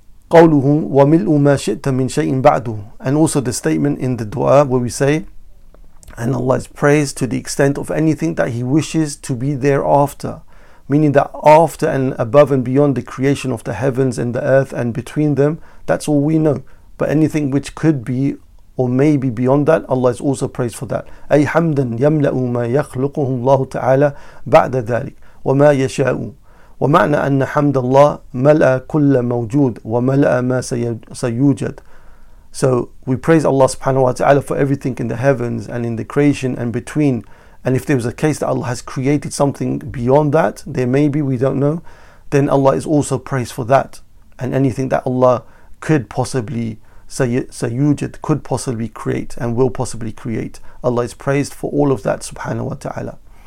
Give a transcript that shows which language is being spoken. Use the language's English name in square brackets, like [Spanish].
[Arabic] قَوْلُهُ وَمِلْءُ مَا شِئْتَ مِنْ شَيْءٍ بَعْدُ, [English] and also the statement in the dua where we say, and Allah is praised to the extent of anything that he wishes to be thereafter. Meaning that after and above and beyond the creation of the heavens and the earth and between them, that's all we know. But anything which could be or may be beyond that, Allah is also praised for that. [Arabic] أي حمدا يملأ ما يخلقه الله تعالى بعد ذلك وما يشاء. ومعنى أن حمد الله ملأ كل موجود وملأ ما سيوجد. [English] So we praise Allah subhanahu wa ta'ala for everything in the heavens and in the creation and between. And if there was a case that Allah has created something beyond that, there may be, we don't know, then Allah is also praised for that. And anything that Allah could possibly sayyujid, could possibly create and will possibly create, Allah is praised for all of that subhanahu wa ta'ala.